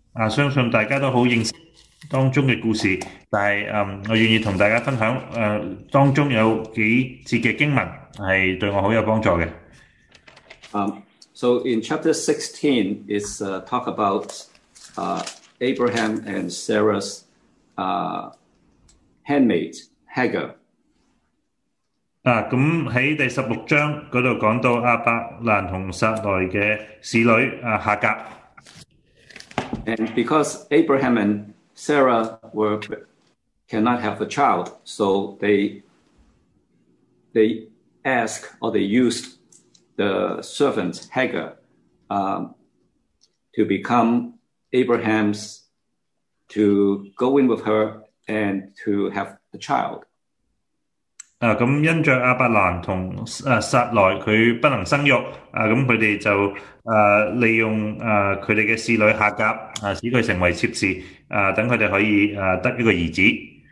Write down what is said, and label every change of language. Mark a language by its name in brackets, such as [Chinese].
[Cantonese] 相信大家都好認識當中嘅故事，但係我願意同大家分享當中有幾節嘅經文係對我好有幫助嘅。 [English] So in chapter 16 is talk about Abraham and Sarah's handmaid Hagar. [Cantonese] 咁喺第十六章嗰度講到亞伯蘭同撒來嘅侍女夏甲。 [English] And because Abraham and Sarah cannot have a child, so they ask or they used the servant Hagar to become Abraham's to go in with her and to have a child. [Cantonese] 咁因着亞伯蘭同撒來佢不能生育，咁佢哋就利用佢哋嘅侍女夏甲使佢成為妾侍，等佢哋可以得一個兒子。